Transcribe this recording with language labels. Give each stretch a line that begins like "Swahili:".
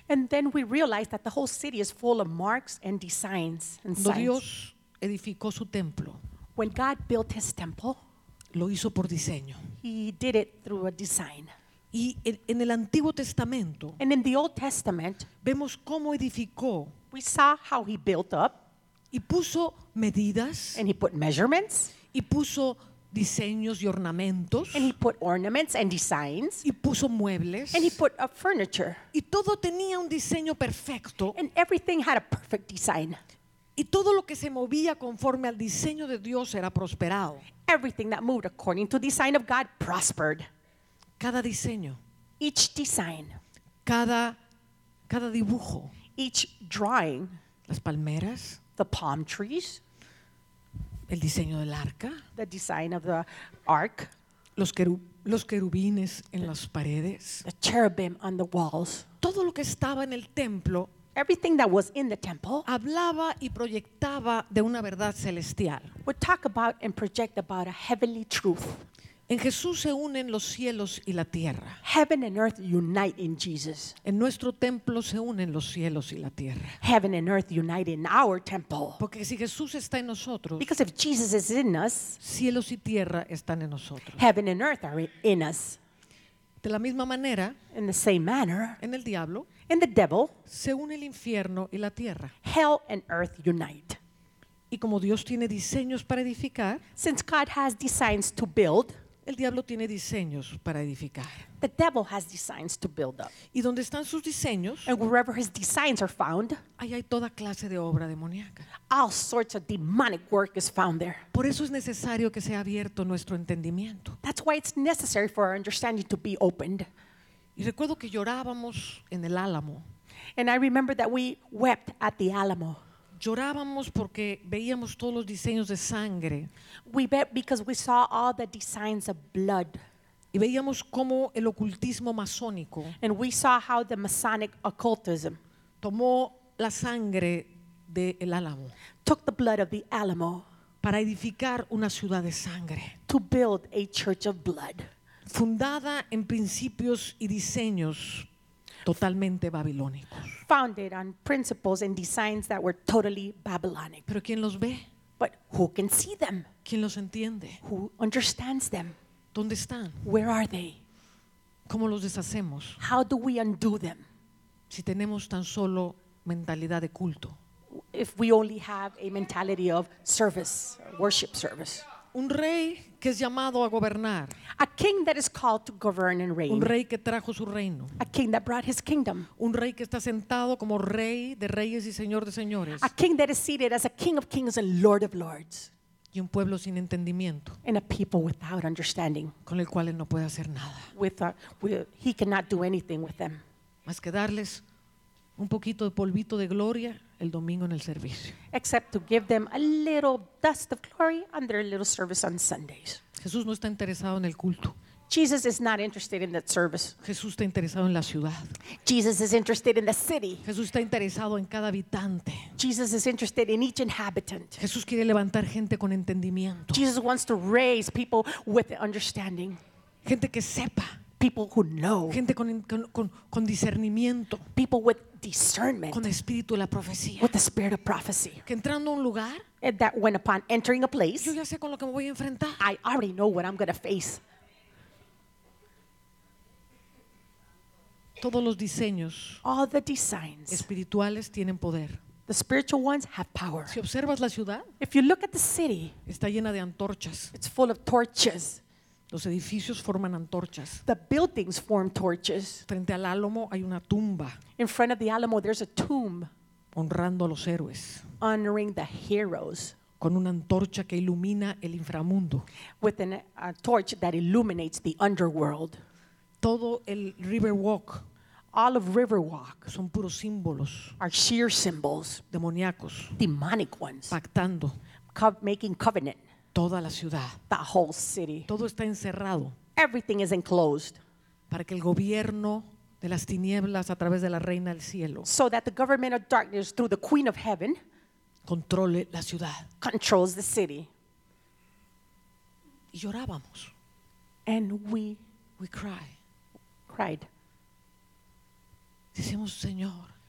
English: And then we realized that the whole city is full of marks and designs and signs.
Spanish: Cuando Dios edificó su templo,
English: when God built his temple,
Spanish: lo hizo por diseño.
English: He did it through a design.
Spanish: Y en el Antiguo Testamento,
English: and in the Old Testament,
Spanish: vemos cómo edificó,
English: we saw how he built up,
Spanish: y puso medidas,
English: and he put measurements,
Spanish: y puso diseños y ornamentos,
English: and he put ornaments and designs,
Spanish: y puso muebles,
English: and he put up furniture,
Spanish: y todo tenía un diseño perfecto,
English: and everything had a perfect design.
Spanish: Y todo lo que se movía conforme al diseño de Dios era prosperado.
English: Everything that moved according to the design of God prospered.
Spanish: Cada diseño.
English: Each design.
Spanish: Cada dibujo.
English: Each drawing.
Spanish: Las palmeras.
English: The palm trees.
Spanish: El diseño del arca.
English: The design of the ark.
Spanish: Los querubines en las paredes.
English: The cherubim on the walls.
Spanish: Todo lo que estaba en el templo.
English: Everything that was in the temple
Spanish: hablaba y proyectaba de una verdad celestial.
English: Would talk about and project about a heavenly truth.
Spanish: En Jesús se unen los cielos y la tierra.
English: Heaven and earth unite in Jesus.
Spanish: En nuestro templo se unen los cielos y la tierra.
English: Heaven and earth unite in our temple.
Spanish: Porque si Jesús está en nosotros,
English: because if Jesus is in us,
Spanish: cielos y tierra están en nosotros.
English: Heaven and earth are in us.
Spanish: De la misma manera,
English: in the same manner,
Spanish: en el diablo,
English: in the devil,
Spanish: se une el infierno y la tierra.
English: Hell and earth unite.
Spanish: Y como Dios tiene diseños para edificar,
English: since God has designs to build,
Spanish: el diablo tiene diseños para edificar.
English: The devil has designs to build up.
Spanish: Y donde están sus diseños,
English: and wherever his designs are found,
Spanish: ahí hay toda clase de obra demoníaca.
English: All sorts of demonic work is found there.
Spanish: Por eso es necesario que sea abierto nuestro entendimiento.
English: That's why it's necessary for our understanding to be opened.
Spanish: Y recuerdo que llorábamos en el Álamo.
English: And I remember that we wept at the Alamo.
Spanish: Llorábamos porque veíamos todos los diseños de sangre.
English: We wept because we saw all the designs of blood.
Spanish: Y veíamos cómo el ocultismo masónico,
English: and we saw how the Masonic occultism
Spanish: tomó la sangre del Álamo,
English: took the blood of the Alamo,
Spanish: para edificar una ciudad de sangre,
English: to build a church of blood,
Spanish: fundada en principios y diseños totalmente babilónicos.
English: Founded on principles and designs that were totally Babylonic.
Spanish: ¿Pero quién los ve?
English: But who can see them?
Spanish: ¿Quién los entiende?
English: Who understands them?
Spanish: ¿Dónde están?
English: Where are they?
Spanish: ¿Cómo los deshacemos?
English: How do we undo them?
Spanish: Si tenemos tan solo mentalidad de culto.
English: If we only have a mentality of service, worship service.
Spanish: Un rey que es llamado a gobernar.
English: A king that is called to govern and reign.
Spanish: Un rey que trajo su reino.
English: A king that brought his kingdom.
Spanish: Un rey que está sentado como rey de reyes y señor de señores.
English: A king that is seated as a king of kings and lord of lords.
Spanish: Y un pueblo sin entendimiento.
English: And a people without understanding.
Spanish: Con el cual él no puede hacer nada.
English: He cannot do anything with them.
Spanish: Más que darles un poquito de polvito de gloria el domingo en el servicio.
English: Except to give them a little dust of glory on their little service on Sundays.
Spanish: Jesús no está interesado en el culto.
English: Jesus is not interested in that service.
Spanish: Jesús está interesado en la ciudad.
English: Jesus is interested in the city.
Spanish: Jesús está interesado en cada habitante.
English: Jesus is interested in each inhabitant.
Spanish: Jesús quiere levantar gente con entendimiento.
English: Jesus wants to raise people with understanding.
Spanish: Gente que sepa.
English: People who know.
Spanish: Gente con discernimiento.
English: People with discernment.
Spanish: Con espíritu de la profecía.
English: With the spirit of prophecy.
Spanish: Que entrando a un lugar,
English: and that when upon entering a place,
Spanish: yo ya sé con lo que me voy a enfrentar.
English: I already know what I'm going to face.
Spanish: Todos los diseños,
English: all the designs,
Spanish: espirituales tienen poder.
English: The spiritual ones have power.
Spanish: Si observas la ciudad,
English: if you look at the city,
Spanish: está llena de antorchas.
English: It's full of torches.
Spanish: Los edificios forman antorchas.
English: The buildings form torches.
Spanish: Frente al Álamo hay una tumba.
English: In front of the Alamo there's a tomb.
Spanish: Honrando a los héroes.
English: Honoring the heroes.
Spanish: Con una antorcha que ilumina el inframundo.
English: With a torch that illuminates the underworld.
Spanish: Todo el Riverwalk.
English: All of Riverwalk.
Spanish: Son puros símbolos.
English: Are sheer symbols.
Spanish: Demoníacos.
English: Demonic ones.
Spanish: Pactando.
English: Making covenant.
Spanish: Toda la ciudad.
English: The whole city.
Spanish: Todo está encerrado.
English: Everything is enclosed.
Spanish: Para que el gobierno de las tinieblas a través de la reina del cielo.
English: So that the government of darkness through the queen of heaven.
Spanish: Controle la ciudad.
English: Controls the city.
Spanish: Y llorábamos.
English: And we cried.
Spanish: Decimos, Señor,